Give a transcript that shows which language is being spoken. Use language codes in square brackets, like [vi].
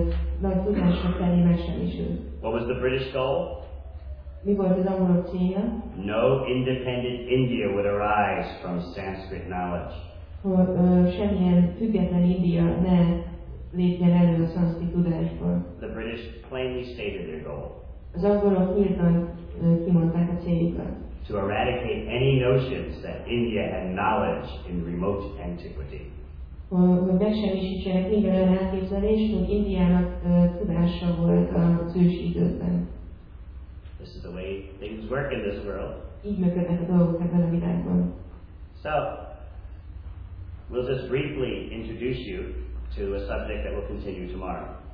[en] What was the British goal? No independent India would arise from Sanskrit knowledge. [hu] Semmilyen független India ne lépjen elő a szanszkrit tudásból. [en] The British plainly stated their goal. [hu] Az angolok nyíltan kimondták a céljukat. [en] To eradicate any notions that India had knowledge in remote antiquity. [hu] Hogy megsemmisítsenek minden olyan elképzelést, hogy Indiának tudása volt az ős időben. [en] This is the way things work in this world. [hu] Így működnek a dolgok ebben a világban. [en] So, we'll just briefly introduce you to a subject that will continue tomorrow.